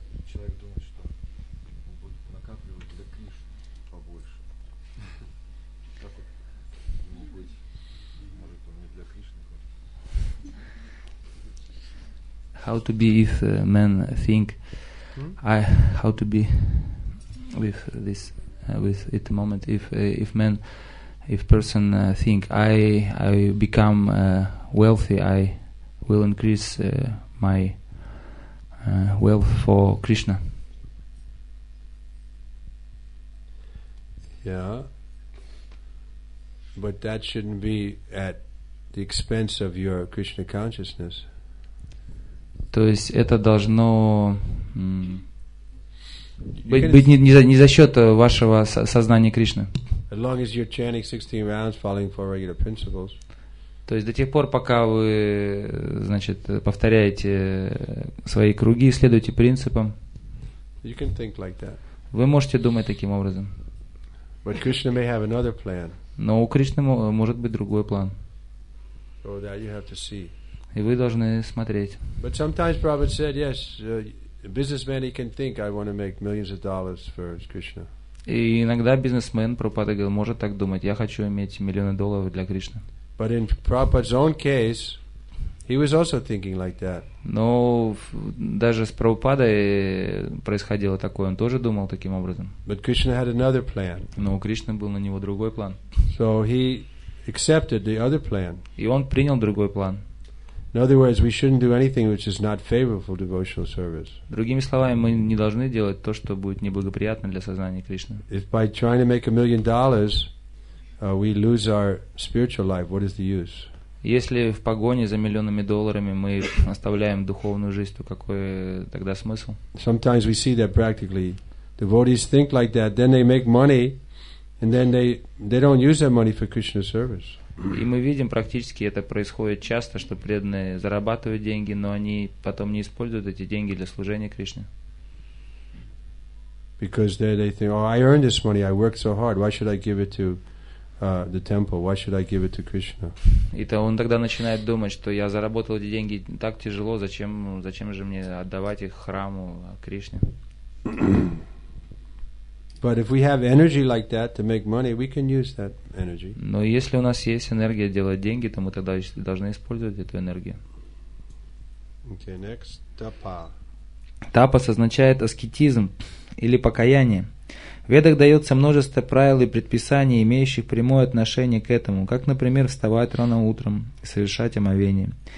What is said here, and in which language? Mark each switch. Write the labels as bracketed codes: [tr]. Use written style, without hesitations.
[ru] Человек думает, что он будет накапливать для Кришны побольше. Как вот ему быть? Может, он не для Кришны хочет? [en] How to be if men think I how to be with this with it moment if men If person think I become wealthy, I will increase my wealth for Krishna. Yeah, but that shouldn't be at the expense of your Krishna consciousness. [ru] То есть это должно быть не за счет вашего сознания Кришны. [en] As long as you're chanting 16 rounds, following four regular principles. [ru] То есть до тех пор, пока вы, значит, повторяете свои круги и следуете принципам. [en] You can think like that. [ru] Вы можете думать таким образом. [en] But Krishna may have another plan. [ru] Но у Кришны может быть другой план. [en] So that you have to see. [ru] И вы должны смотреть. [en] But sometimes Prabhupada said, yes, a businessman he can think, I want to make millions of dollars for Krishna. [ru] И иногда бизнесмен Прабхупада говорил, может так думать, я хочу иметь миллионы долларов для Кришны. [en] But in Prabhupada's own case, he was also thinking like that. [ru] Но даже с Прабхупадой происходило такое, он тоже думал таким образом. [en] But Krishna had another plan. [ru] Но у Кришны был на него другой план. [en] So he accepted the other plan. [ru] И он принял другой план. [en] In other words, we shouldn't do anything which is not favorable devotional service. [ru] Другими словами, мы не должны делать то, что будет неблагоприятно для сознания Кришны. [en] If by trying to make a million dollars, we lose our spiritual life, what is the use? [ru] Если в погоне за миллионами долларами мы оставляем духовную жизнь, то какой тогда смысл? [en] Sometimes we see that practically, devotees think like that, then they make money, and then they don't use that money for Krishna service. [ru] И мы видим, практически это происходит часто, что преданные зарабатывают деньги, но они потом не используют эти деньги для служения Кришне. [en] Because they think, oh, I earned this money, I worked so hard, why should I give it to the temple. Why should I give it to Krishna? [ru] И то он тогда начинает думать, что я заработал эти деньги так тяжело, зачем же мне отдавать их храму Кришне? [en] But if we have energy like that to make money, we can use that energy. [ru] Но если у нас есть энергия делать деньги, то мы тогда должны использовать эту энергию. [en] Okay, next, tapa. [ru] Тапас означает аскетизм или покаяние. В Ведах дается множество правил и предписаний, имеющих прямое отношение к этому, как, например, вставать рано утром и совершать омовение.